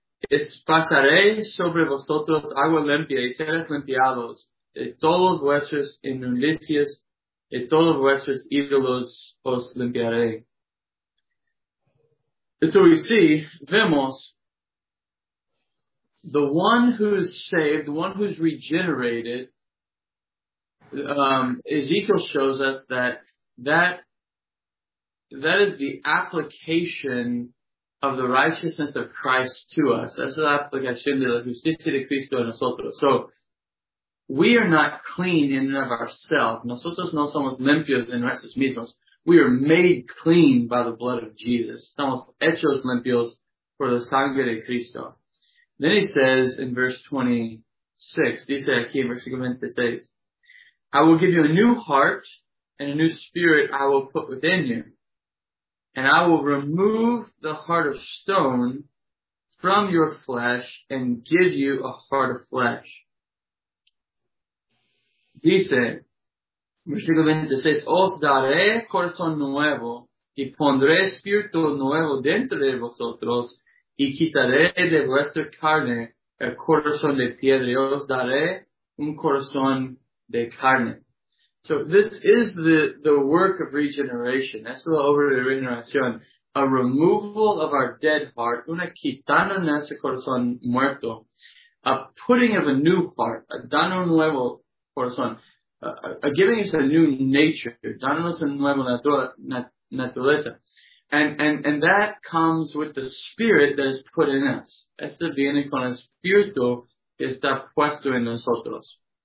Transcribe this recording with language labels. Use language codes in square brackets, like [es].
[es] Espasaré sobre vosotros agua limpia y seréis limpiados de todos vuestros inmundicias y todos vuestros ídolos os limpiaré. [en] And so we see, [es] vemos, [en] the one who is saved, the one who is regenerated, Ezekiel shows us that is the application of the righteousness of Christ to us. That's the application [es] de la justicia de Cristo a nosotros. [en] So, we are not clean in and of ourselves. [es] Nosotros no somos limpios en nosotros mismos. [en] We are made clean by the blood of Jesus. [es] Somos hechos limpios por la sangre de Cristo. [en] Then he says in verse 26, [es] dice aquí en versículo 26, [en] I will give you a new heart and a new spirit I will put within you. And I will remove the heart of stone from your flesh and give you a heart of flesh. [es] Dice, versículo 26, os daré corazón nuevo y pondré espíritu nuevo dentro de vosotros y quitaré de vuestra carne el corazón de piedra y os daré un corazón de carne. [en] So this is the work of regeneration. That's the [es] obra de regeneración. [en] A removal of our dead heart, [es] una quitando nuestro corazón muerto, [en] a putting of a new heart, a [es] dando nuevo corazón, [en] a giving us a new nature, [es] dándonos una nueva naturaleza. [en] And that comes with the spirit that is put in us. [es] Esto viene con el espíritu que está puesto en nosotros.